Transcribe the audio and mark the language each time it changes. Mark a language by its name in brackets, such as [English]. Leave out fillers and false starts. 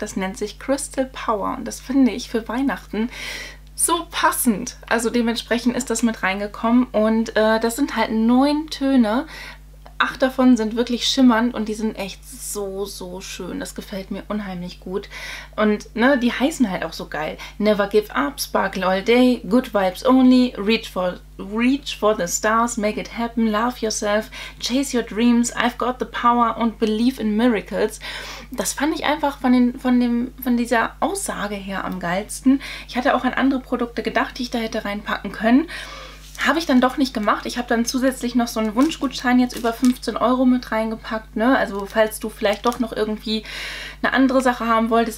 [German] Das nennt sich Crystal Power. Und das finde ich für Weihnachten so passend. Also dementsprechend ist das mit reingekommen und das sind halt 9 Töne. 8 davon sind wirklich schimmernd und die sind echt so, so schön. Das gefällt mir unheimlich gut. Und ne, die heißen halt auch so geil. [English] Never give up, sparkle all day, good vibes only, reach for the stars, make it happen, love yourself, chase your dreams, I've got the power und believe in miracles. [German] Das fand ich einfach von dieser Aussage her am geilsten. Ich hatte auch an andere Produkte gedacht, die ich da hätte reinpacken können. habe ich dann doch nicht gemacht. Ich habe dann zusätzlich noch so einen Wunschgutschein jetzt über 15 Euro mit reingepackt, ne? Also falls du vielleicht doch noch irgendwie eine andere Sache haben wolltest.